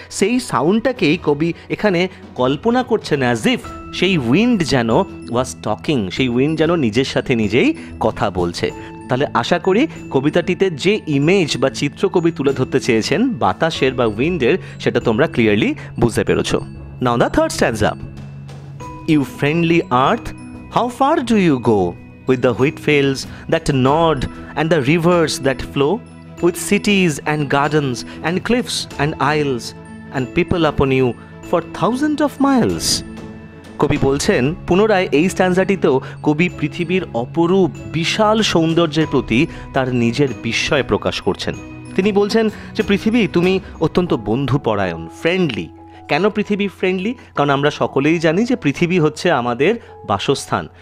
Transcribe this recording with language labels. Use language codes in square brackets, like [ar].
[bn] সেই সাউন্ডটাকেই কবি এখানে কল্পনা করছেন [en] as if [bn] সেই উইন্ড যেন [en] was talking, [bn] সেই উইন্ড যেন নিজের সাথে নিজেই কথা বলছে। তাহলে আশা করি কবিতাটিতে যে ইমেজ বা চিত্র কবি তুলে ধরতে চেয়েছেন বাতাসের বা উইন্ডের, সেটা তোমরা ক্লিয়ারলি বুঝতে পেরেছো। [en] Now the third stanza, you friendly earth, how far do you go with the wheat fields that nod and the rivers that flow, with cities and gardens and cliffs and isles and people upon you for thousands of miles. [bn] কবি বলছেন পুনরায় এই স্ট্যান্জাটিতেও কবি পৃথিবীর অপরূপ বিশাল সৌন্দর্যের প্রতি তার নিজের বিস্ময় প্রকাশ করছেন। তিনি বলছেন যে পৃথিবী তুমি অত্যন্ত বন্ধুপরায়ণ, ফ্রেন্ডলি। কেন পৃথিবী ফ্রেন্ডলি? কারণ আমরা সকলেই জানি যে পৃথিবী হচ্ছে আমাদের বাসস্থান।